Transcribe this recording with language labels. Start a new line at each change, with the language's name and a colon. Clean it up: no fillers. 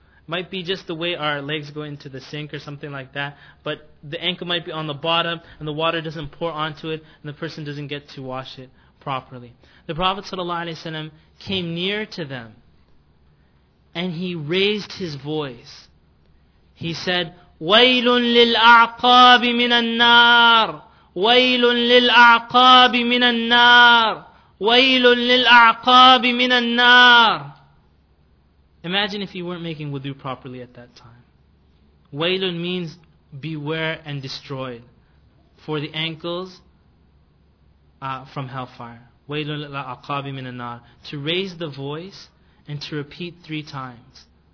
English: Might be just the way our legs go into the sink or something like that, but the ankle might be on the bottom and the water doesn't pour onto it and the person doesn't get to wash it properly. The Prophet ﷺ came near to them and he raised his voice. He said,
Arabic: وَيْلٌ لِلْأَعْقَابِ مِنَ النَّارِ وَيْلٌ لِلْأَعْقَابِ مِنَ النَّارِ وَيْلٌ لِلْأَعْقَابِ مِنَ النَّارِ.
English: Imagine if you weren't making wudu properly at that time. Waylun means beware and destroyed for the ankles from hellfire. Waylun la'aqabi minan nar. To raise the voice and to repeat three times.